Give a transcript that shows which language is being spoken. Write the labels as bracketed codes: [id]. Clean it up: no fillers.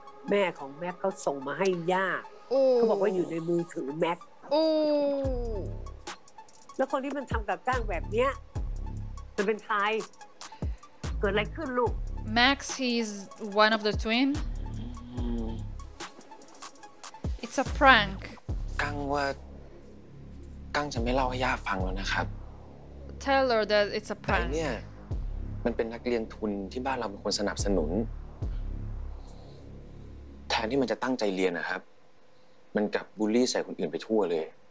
[th] แม่ของแม็กเขาส่งมาให้ย่าเขาบอกว่าอยู่ในมือถือแม็ก โ อ้แล้วคนที่มันทำกับจ้างแบบเนี้ยมันเป็นใครเกิดอะไรขึ้นลูก [en] Max he's one of the twin It's a prank [th] กังว่ากังจะไม่เล่าให้ย่าฟังแล้วนะครับ [en] Tell her that it's a prank [th] แต่เนี่ยมันเป็นนักเรียนทุนที่บ้านเราเป็นคนสนับสนุนแทนที่มันจะตั้งใจเรียนนะครับมันกลับบูลลี่ใส่คนอื่นไปทั่วเลย